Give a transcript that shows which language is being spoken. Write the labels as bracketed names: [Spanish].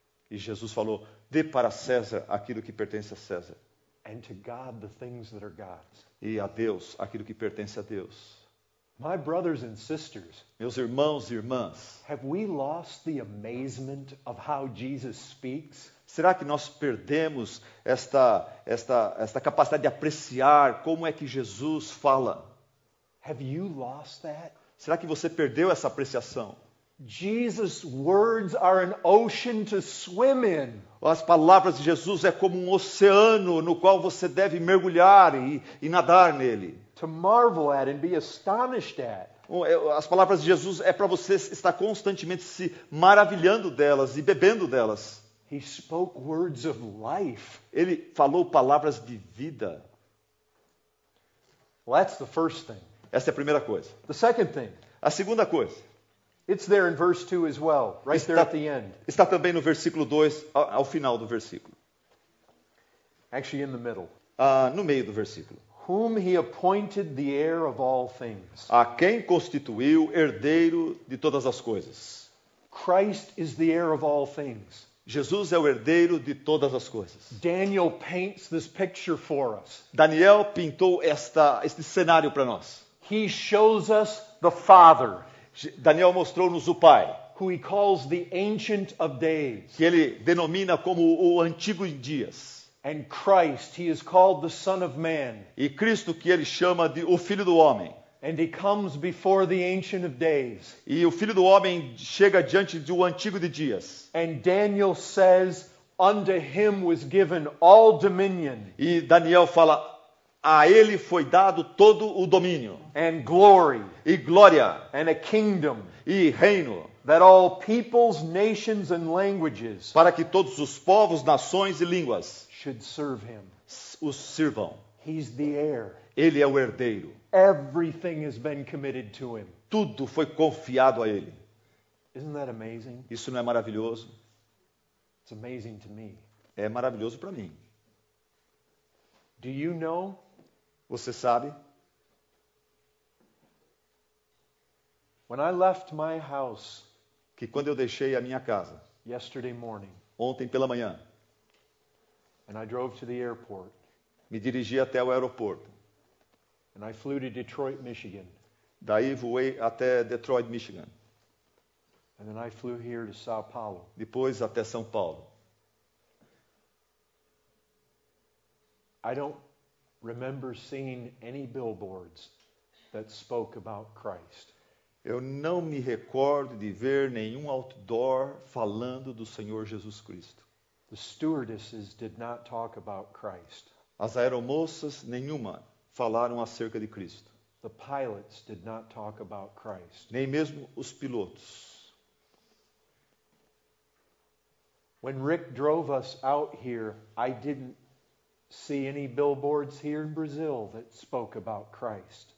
[Portuguese] E Jesus falou: dê para César aquilo que pertence a César. [English] And to God the things that are God's. [Portuguese] E a Deus aquilo que pertence a Deus. [English] My brothers and sisters, [Portuguese] meus irmãos e irmãs, [English] have we lost the amazement of how Jesus speaks? [Portuguese] Será que nós perdemos esta capacidade de apreciar como é que Jesus fala? [English] Have you lost that? [Portuguese] Será que você perdeu essa apreciação? [English] Jesus' words are an ocean to swim in. [Portuguese] As palavras de Jesus é como um oceano no qual você deve mergulhar e nadar nele. [English] To marvel at and be astonished at. [Portuguese] As palavras de Jesus é para você estar constantemente se maravilhando delas e bebendo delas. [English] He spoke words of life. [Portuguese] Ele falou palavras de vida. [English] Well, that's the first thing. [Portuguese] Essa é a primeira coisa. [English] The second thing. [Portuguese] A segunda coisa. [English] It's there in verse 2 as well, right there at the end. [Portuguese] Está também no versículo 2, ao final do versículo. [English] Actually in the middle. [Portuguese] No meio do versículo. [English] Whom he appointed the heir of all things. [Portuguese] A quem constituiu herdeiro de todas as coisas. [English] Christ is the heir of all things. [Portuguese] Jesus é o herdeiro de todas as coisas. [English] Daniel paints this picture for us. [Portuguese] Daniel pintou este cenário para nós. [English] He shows us the Father. [Portuguese] Daniel mostrou-nos o Pai. [English] Who he calls the Ancient of Days. [Portuguese] Que ele denomina como o Antigo de Dias. [English] And Christ, he is called the Son of Man. [Portuguese] E Cristo, que ele chama de o Filho do Homem. [English] And he comes before the Ancient of Days. [Portuguese] E o Filho do Homem chega diante do Antigo de Dias. [English] And Daniel says, unto him was given all dominion. [Portuguese] E Daniel fala, a ele foi dado todo o domínio. [English] And glory. [Portuguese] E glória. [English] And a kingdom. [Portuguese] E reino. [English] That all peoples, nations and languages. [Portuguese] Para que todos os povos, nações e línguas. [English] Should serve him. [Portuguese] Os sirvam. [English] He's the heir. [Portuguese] Ele é o herdeiro. [English] Everything has been committed to him. [Portuguese] Tudo foi confiado a ele. [English] Isn't that amazing? [Portuguese] Isso não é maravilhoso? [English] It's amazing to me. [Portuguese] É maravilhoso para mim. [English] Do you know? [Portuguese] Você sabe? [English] When I left my house, [Portuguese] que quando eu deixei a minha casa, [English] yesterday morning, [Portuguese] ontem pela manhã, [English] and I drove to the airport, [Portuguese] me dirigi até o aeroporto, [English] and I flew to Detroit, Michigan, [Portuguese] daí voei até Detroit, Michigan, [English] and then I flew here to São Paulo, [Portuguese] depois até São Paulo. [English] I don't remember seeing any billboards that spoke about Christ. [Portuguese] Eu não me recordo de ver nenhum outdoor falando do Senhor Jesus Cristo. [English] The stewardesses did not talk about Christ. [Portuguese] As aeromoças, nenhuma, falaram acerca de Cristo. [English] The pilots did not talk about Christ. [Portuguese] Nem mesmo os pilotos. [English] When Rick drove us out here, I didn't see any billboards here in Brazil that spoke about Christ.